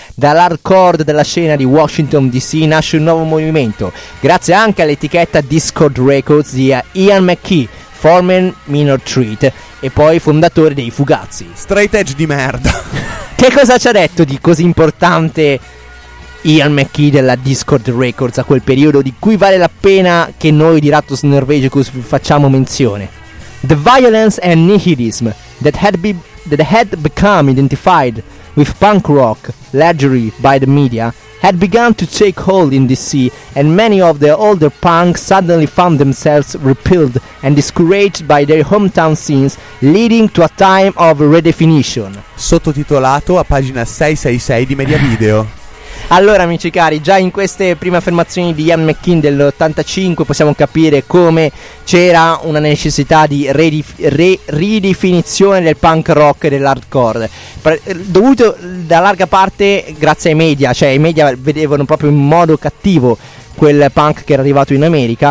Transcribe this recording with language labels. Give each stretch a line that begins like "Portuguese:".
Italian: Dall'hardcore della scena di Washington DC nasce un nuovo movimento, grazie anche all'etichetta Discord Records di Ian McKee, foreman Minor Threat e poi fondatore dei Fugazi. Straight Edge di merda. Che cosa ci ha detto di così importante Ian McKee della Discord Records a quel periodo, di cui vale la pena che noi di Ratus Norvegicus facciamo menzione?
English: The violence and nihilism that had become identified with punk rock largely by the media had begun to take hold in DC, and many of the older punks suddenly found themselves repelled and discouraged by their hometown scenes, leading to a time of redefinition.
Italian: Sottotitolato a pagina 666 di Media Video. Allora amici cari, già in queste prime affermazioni di Ian McKean dell'85 possiamo capire come c'era una necessità di ridefinizione del punk rock e dell'hardcore, dovuto da larga parte grazie ai media, cioè i media vedevano proprio in modo cattivo quel punk che era arrivato in America.